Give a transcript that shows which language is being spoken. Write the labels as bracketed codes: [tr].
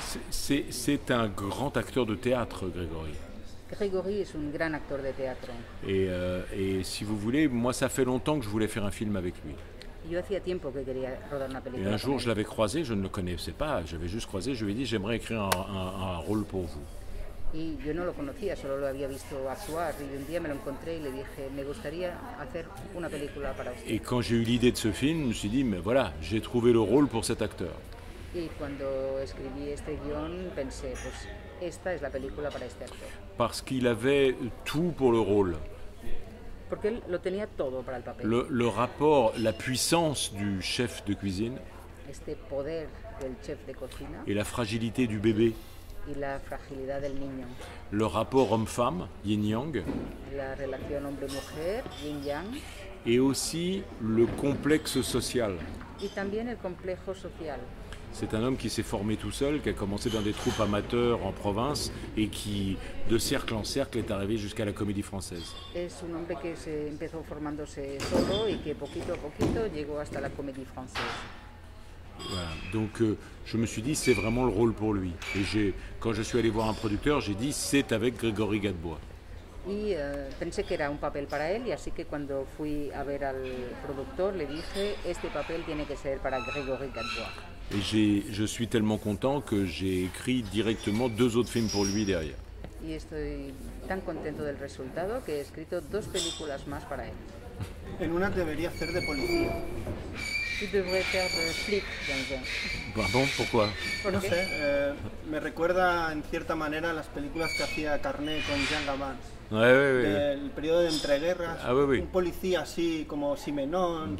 [fr] C'est un grand acteur de théâtre, Grégory. [es] Grégory es un gran actor de teatro. [fr] Et si vous voulez, moi ça fait longtemps que je voulais faire un film avec lui. [es] Yo hacía tiempo que quería rodar una película. [fr] Et un jour je l'avais croisé, je ne le connaissais pas, j'avais juste croisé, je lui ai dit j'aimerais écrire un rôle pour vous. [es] Y yo no lo conocía, solo lo había visto actuar. Y un día me lo encontré y le dije, me gustaría hacer una película para usted. [fr] Et quand j'ai eu l'idée de ce film, je me suis dit, mais voilà, j'ai trouvé le rôle pour cet acteur. [es] Y cuando escribí este guion, pensé, pues esta es la película para este acteur. [fr] Parce qu'il avait tout pour le rôle. [es] Porque él lo tenía todo para el papel. [fr] Le rapport, la puissance du chef de cuisine. [es] Este poder del chef de cocina. [fr] Et la fragilité du bébé. [es] Y la fragilidad del niño. [fr] Le rapport homme-femme, yin-yang. [es] La relación hombre-mujer, yin-yang. [fr] Et aussi le complexe social. [es] Y también el complejo social. [fr] C'est un homme qui s'est formé tout seul, qui a commencé dans des troupes amateurs en province et qui, de cercle en cercle, est arrivé jusqu'à la Comédie-Française. [es] Es un hombre que se empezó formándose solo y que poquito a poquito llegó hasta la Comédie-Française. [fr] Voilà. Donc je me suis dit c'est vraiment le rôle pour lui. Et quand je suis allé voir un producteur, j'ai dit c'est avec Grégory Gadebois. [es] Pensé que era un papel para él, y así que cuando fui a ver al productor le dije: este papel tiene que ser para Grégory Gadebois. [fr] Et je suis tellement content que j'ai écrit directement deux autres films pour lui derrière. [es] Y estoy tan contento del resultado que he escrito dos películas más para él. En una debería hacer de policía. [fr] Tu devrais faire de flic, Jean-Jean. Pardon, pourquoi? [es] No sé, me recuerda en cierta manera las películas que hacía Carnet con Jean Gabin. [fr] Oui. [es] El periodo de entreguerras, [fr] oui. [es] Un policía así como Simenon,